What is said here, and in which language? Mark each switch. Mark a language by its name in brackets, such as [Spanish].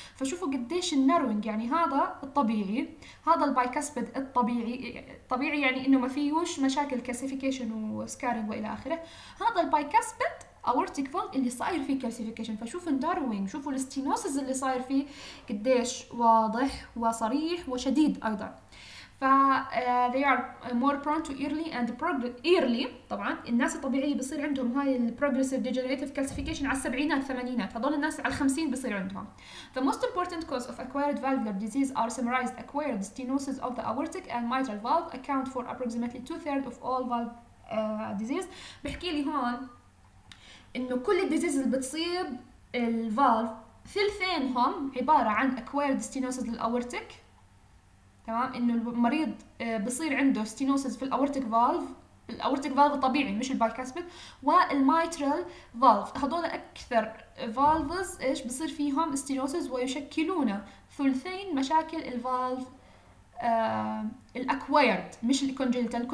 [Arabic] فشوفوا قديش النروينج، يعني هذا الطبيعي، هذا البايكاسبيد الطبيعي، طبيعي يعني انه ما فيهوش مشاكل كالسيفيكيشن وسكارينج والى اخره، هذا البايكاسبيد اورتيك فول اللي صاير فيه كالسيفيكيشن. فشوفوا النروينج، شوفوا الاستينوسز اللي صاير فيه قديش واضح وصريح وشديد ايضا. [English] ف they are more prone to early and early. [Arabic] طبعا الناس الطبيعيه بيصير عندهم هاي البروجريسيف ديجنريتيف كالسيفيكيشن على السبعينات الثمانينات، هذول الناس على الخمسين بيصير عندهم. [English] The most important cause of acquired valvular disease are summarized acquired stenosis of the aortic and mitral valve account for approximately 2/3 of all valve disease. [Arabic] بحكي لي هون انه كل الديزيز اللي بتصيب الفالف ثلثينهم عباره عن [English] acquired stenosis [Arabic] للاورتيك. تمام، انه المريض بصير عنده ستينوسز في الاورتيك فالف، الاورتيك فالف الطبيعي مش البايكاسبيد، والمايترال فالف، هذول اكثر فالفز ايش بصير فيهم ستينوسز ويشكلون ثلثين مشاكل الفالف الاكوايرد مش الكونجنتال.